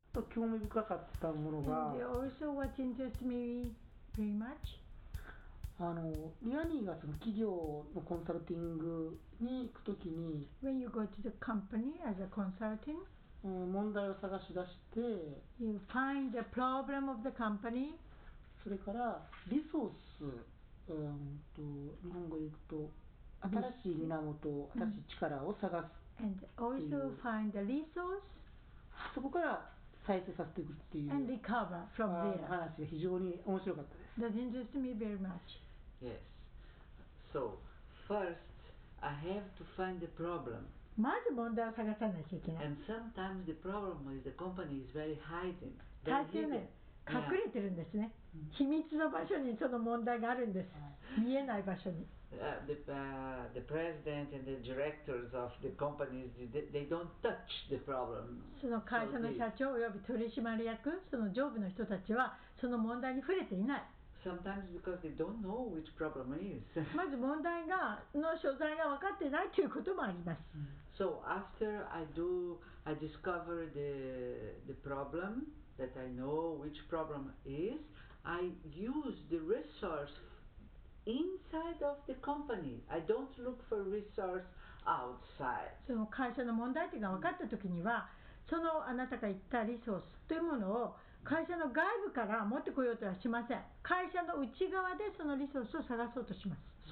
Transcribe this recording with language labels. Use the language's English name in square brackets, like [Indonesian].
[Japanese] 興味深かったものが、あのリアニーがその企業のコンサルティングに行くときに、 [English] When you go to the company as a consulting, [Japanese] 問題を探し出して、 [English] You find the problem of the company。 [Japanese] それからリソース、日本語で言うと新しい源、新しい力を探す。 [English] And also find the resource。 [Japanese] そこから再生させていくっていう。 [English] And recover from there。 [Japanese] 話が非常に面白かったです。 [English] That interests me very much。 Yes。 So first, I have to find the problem。 [Japanese] まず問題を探さなきゃいけない。 [English] And sometimes the problem is the company is very hiding。 [Japanese] 大変ね。隠れてるんですね。秘密の場所にその問題があるんです。見えない場所に。 [English] The president and the directors of the companies, they don't touch the problem. [Japanese] その会社の社長および取締役、その上部の人たちはその問題に触れていない。 [English] Sometimes because they don't know which problem is. [Japanese] まず問題がの所在が分かってないということもあります。 [English] So after I discover the problem that I know which problem is, I use the resource inside of the company. I don't look for resource outside. [Japanese] その会社の問題点が分かったときには、そのあなたが言ったリソースというものを会社の外部から持ってこようとはしません。会社の内側でそのリソースを探そうとします。